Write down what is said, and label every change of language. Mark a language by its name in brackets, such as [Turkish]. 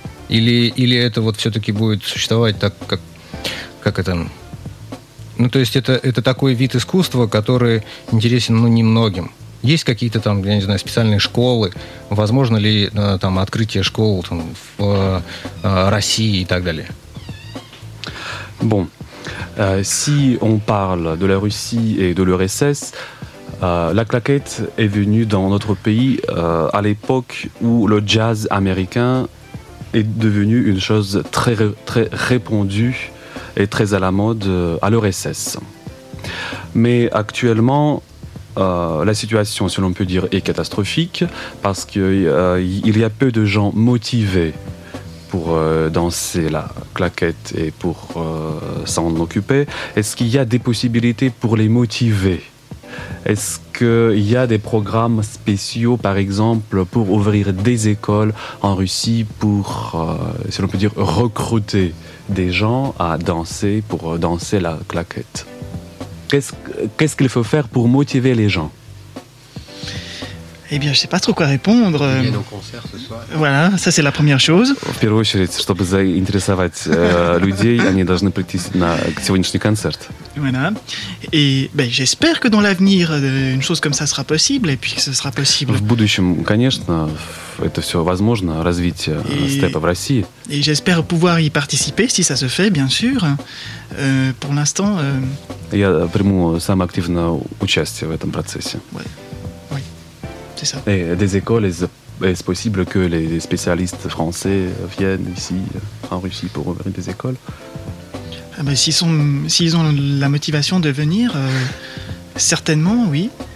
[Russian] Или это вот все-таки будет существовать так, как это... Ну, то есть это такой вид искусства, который интересен, ну, немногим. Есть какие-то там, я не знаю, специальные школы? Возможно ли там открытие школ там, в России и так далее? [French] Bon, si on parle de la Russie et de l'URSS, la claquette est venue dans notre pays à l'époque où le jazz américain est devenu une chose très, très répandue et très à la mode à l'URSS. Mais actuellement, la situation, si l'on peut dire, est catastrophique parce qu'il y a peu de gens motivés pour danser la claquette et pour s'en occuper. Est-ce qu'il y a des possibilités pour les motiver? Est-ce qu'il y a des programmes spéciaux, par exemple, pour ouvrir des écoles en Russie pour, si l'on peut dire, recruter des gens à danser, pour danser la claquette? Qu'est-ce qu'il faut faire pour motiver les gens? Eh bien, je ne sais pas trop quoi répondre. Il y a nos concerts ce soir. Voilà, ça c'est la première chose. [Russian] В первую очередь, чтобы заинтересовать людей, они должны прийти на сегодняшний концерт. [French] Voilà. Et ben, j'espère que dans l'avenir, une chose comme ça sera possible, et puis que ce sera possible. [Russian] В будущем, конечно, это все возможно, развитие степа в России. [French] Et j'espère pouvoir y participer, si ça se fait, bien sûr. Pour l'instant... [Russian] Я приму самое активное участие в этом процессе. [French] Ouais. C'est ça. Et des écoles, est-ce possible que les spécialistes français viennent ici, en Russie, pour ouvrir des écoles ? Ah ben, s'ils ont la motivation de venir, certainement, oui.